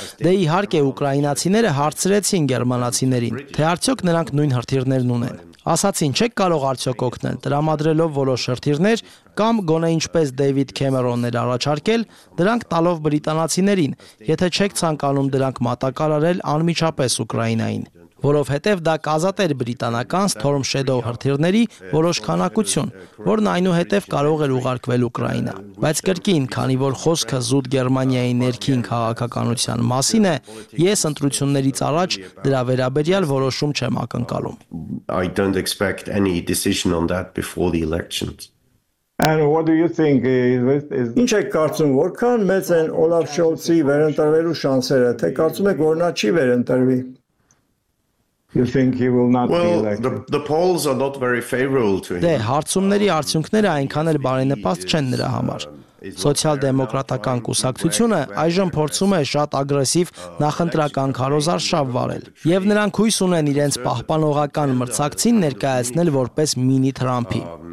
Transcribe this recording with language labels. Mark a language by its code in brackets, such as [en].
[hy] Դե իհարկե ուկրաինացիները հարցրեցին գերմանացիներին, թե արդյոք նրանք նույն հրթիռներն ունեն։ Ասացին, չեք կարող արդյոք օգնել, տրամադրելով որոշ հրթիռներ կամ գոնե ինչպես Դեյվիդ Քեմերոններ առաջարկել, դրանք տալով բրիտանացիներին, եթե չեք ցանկանում դրանք մատակարարել անմիջապես Ուկրաինային, որովհետև դա կազատեր բրիտանական Storm Shadow հրթիռների որոշ քանակություն, որն այնուհետև կարող էր ուղարկվել Ուկրաինա։ Բայց կրկին, քանի որ խոսքը զուտ Գերմանիայի ներքին քաղաքականության մասին է, ես ընտրություններից առաջ դրա վերաբերյալ որոշում չեմ ակնկալում։ [en] I don't expect any decision on that before the elections. And what do you think is [hy] Ինչ եք կարծում, որքան մեծ են Olaf Scholz-ի վերընտրվելու շանսերը, թե կարծում եք, որ նա չի վերընտրվի։ [en] You think he will not well, be elected? Well, the polls are not very favorable to him. [hy] Դե հարցումների արդյունքները այնքան էլ բարենպաստ չեն նրա համար։ Սոցիալ-դեմոկրատական կուսակցությունը այժմ փորձում է շատ ագրեսիվ նախընտրական քարոզարշավ վարել, եւ նրանք հույս ունեն իրենց պահպանողական մրցակցին ներկայացնել որպես մինի Թրամփի։